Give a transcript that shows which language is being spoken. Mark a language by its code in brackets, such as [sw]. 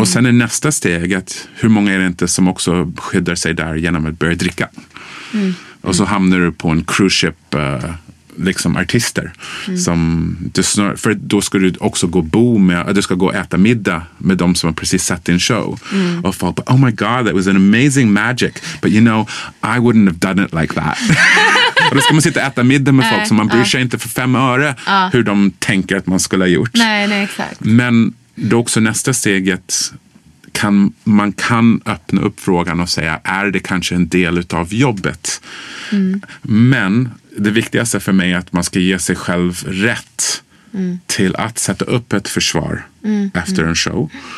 [sv] Och sen är nästa steg att hur många är det inte som också skyddar sig där genom att börja dricka? Mm. Och så hamnar du på en cruise ship, liksom artister. Mm. För då ska du också gå du ska gå och äta middag med de som har precis sett din show. Mm. [en] Och folk, oh my god, that was an amazing magic. But you know, I wouldn't have done it like that. [sv] Och då ska man sitta och äta middag med folk som man bryr sig inte för fem öre hur de tänker att man skulle ha gjort. Nej, exakt. Men då också nästa steget, kan man öppna upp frågan och säga, är det kanske en del av jobbet? Mm. Men det viktigaste för mig är att man ska ge sig själv rätt till att sätta upp ett försvar efter en show.